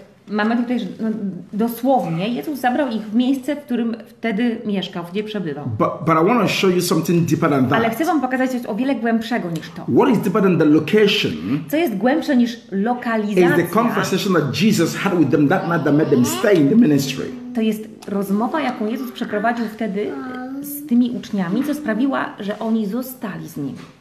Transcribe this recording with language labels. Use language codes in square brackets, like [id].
[pl] Mamy tutaj, dosłownie, Jezus zabrał ich w miejsce, w którym wtedy mieszkał, gdzie przebywał. [en] But I want to show you something deeper than that. [pl] Ale chcę wam pokazać coś o wiele głębszego niż to. [en] What is deeper than the location? [pl] Co jest głębsze niż lokalizacja? [en] Is the conversation that Jesus had with them that night that made them stay in the ministry. [pl] To jest rozmowa, jaką Jezus przeprowadził wtedy z tymi uczniami, co sprawiła, że oni zostali z nim.